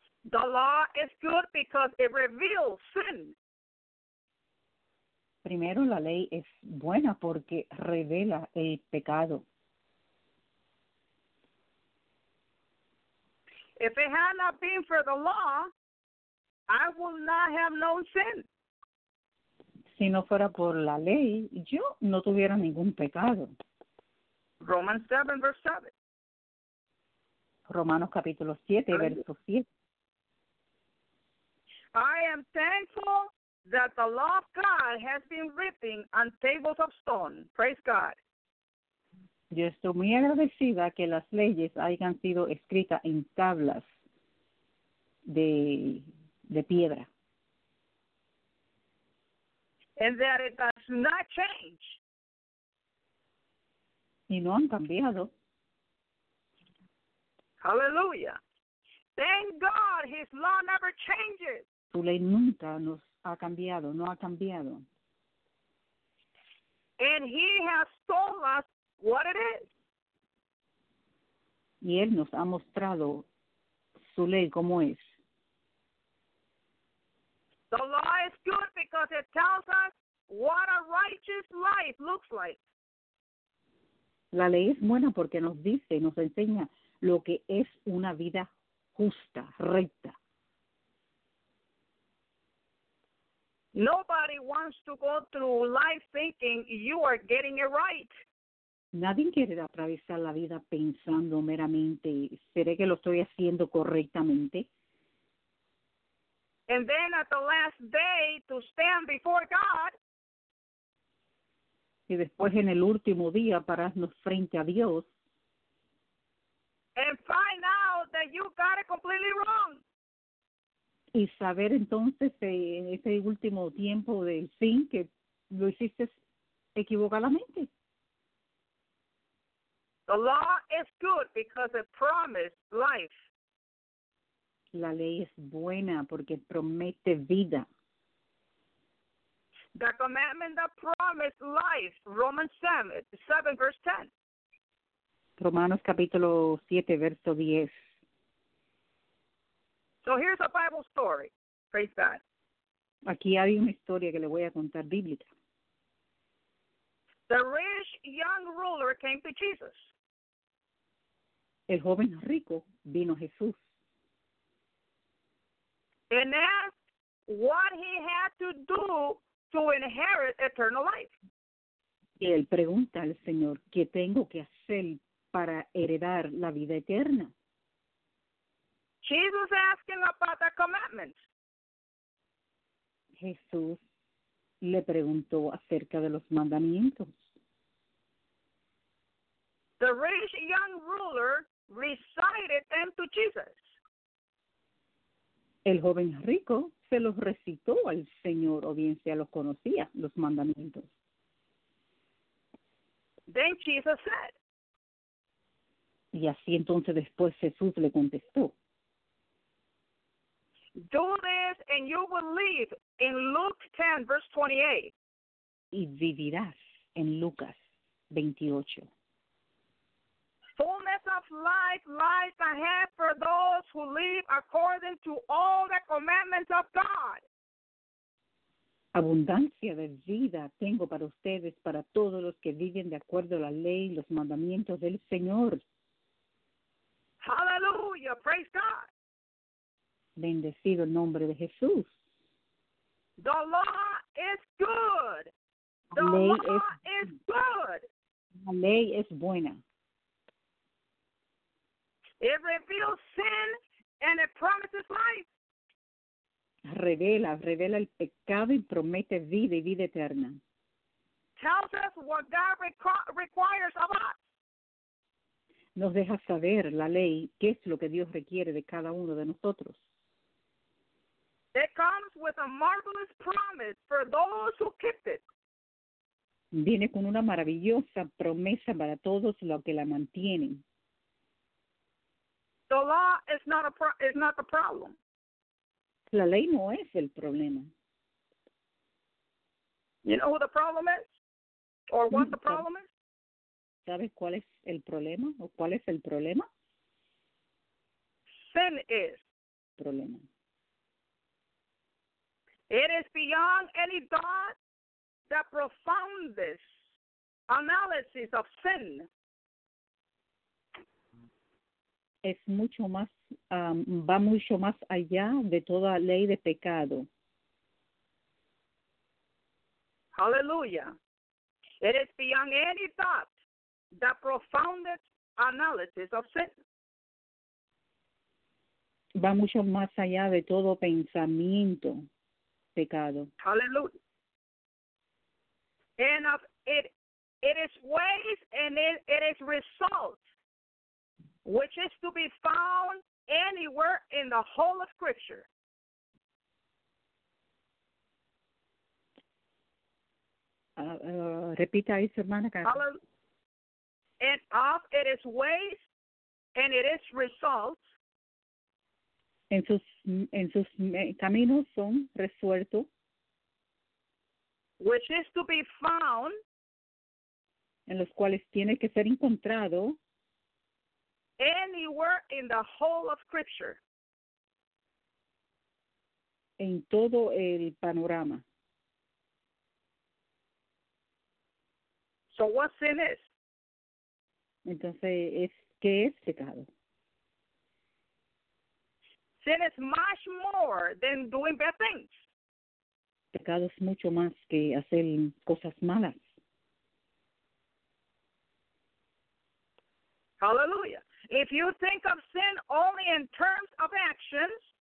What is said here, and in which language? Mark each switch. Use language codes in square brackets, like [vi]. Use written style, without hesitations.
[en] The law is good because it reveals sin. [es] Primero, la ley es buena porque revela el pecado. [en] If it had not been for the law, I would not have known sin. [es] Si no fuera por la ley, yo no tuviera ningún pecado. [en] Romans 7, verse 7. [es] Romanos capítulo 7, verso 7. [en] I am thankful that the law of God has been written on tables of stone. Praise God. [es] Yo estoy muy agradecida que las leyes hayan sido escritas en tablas de piedra. [en] And that it does not change. [es] Y no han cambiado. [en] Hallelujah. Thank God his law never changes. [es] Su ley nunca nos ha cambiado, no ha cambiado. [en] And he has told us what it is. [es] Y él nos ha mostrado su ley como es. [en] The law is good because it tells us what a righteous life looks like. [es] La ley es buena porque nos dice, nos enseña lo que es una vida justa, recta. [en] Nobody wants to go through life thinking you are getting it right. [es] Nadie quiere atravesar la vida pensando meramente, ¿seré que lo estoy haciendo correctamente? [en] And then at the last day to stand before God. [es] Y después en el último día pararnos frente a Dios. [en] And find out that you got it completely wrong. [es] Y saber entonces en ese último tiempo del fin que lo hiciste equivocadamente. [en] The law is good because it promised life. [es] La ley es buena porque promete vida. [en] The commandment that promised life, Romans 7, verse 10. [es] Romanos capítulo 7, verso 10. [en] So here's a Bible story. Praise God. [es] Aquí hay una historia que le voy a contar bíblica. [en] The rich young ruler came to Jesus. [es] El joven rico vino a Jesús. [en] And asked what he had to do to inherit eternal life. [es] Y él pregunta al Señor, ¿qué tengo que hacer para heredar la vida eterna? [en] Jesus asking about the commandments. [es] Jesús le preguntó acerca de los mandamientos. [en] The rich young ruler recited them to Jesus. [es] El joven rico se los recitó al Señor, o bien sea los conocía, los mandamientos. [en] Then Jesus said. [es] Y así entonces después Jesús le contestó. [en] Do this and you will live in Luke 10, verse 28. [es] Y vivirás en Lucas 28. [en] Fullness of life lies ahead for those who live according to all the commandments of God. [es] Abundancia de vida tengo para ustedes, para todos los que viven de acuerdo a la ley y los mandamientos del Señor. [en] Hallelujah, praise God. [es] Bendecido el nombre de Jesús. [en] The law is good. The law is good. [es] La ley es buena. [en] It reveals sin and it promises life. [es] Revela el pecado y promete vida y vida eterna. [en] Tells us what God requires of us. [es] Nos deja saber la ley qué es lo que Dios requiere de cada uno de nosotros. [en] It comes with a marvelous promise for those who keep it. [es] Viene con una maravillosa promesa para todos los que la mantienen. [en] The law is not the problem. [es] La ley no es el problema. [en] You know who the problem is? Or what the problem is? [es] ¿Sabes cuál es el problema? ¿O cuál es el problema? [en] Sin is. [es] Problema. [en] It is beyond any doubt the profoundest analysis of sin. [es] Es mucho más, va mucho más allá de toda ley de pecado. [en] Hallelujah. It is beyond any doubt the profoundest analysis of sin. [es] Va mucho más allá de todo pensamiento pecado. [en] Hallelujah. And of it is ways and it is results, which is to be found anywhere in the whole of Scripture. [es] Repita eso, hermana. [en] And of it is ways and it is results. [es] En sus caminos son resueltos. [en] Which is to be found. [es] En los cuales tiene que ser encontrado. [en] Anywhere in the whole of Scripture. [es] En todo el panorama. [en] So what sin is? [es] Entonces, ¿qué es pecado? [en] Sin is much more than doing bad things. [es] Pecado es mucho más que hacer cosas malas. [en] Hallelujah. If you think of sin only in terms of actions,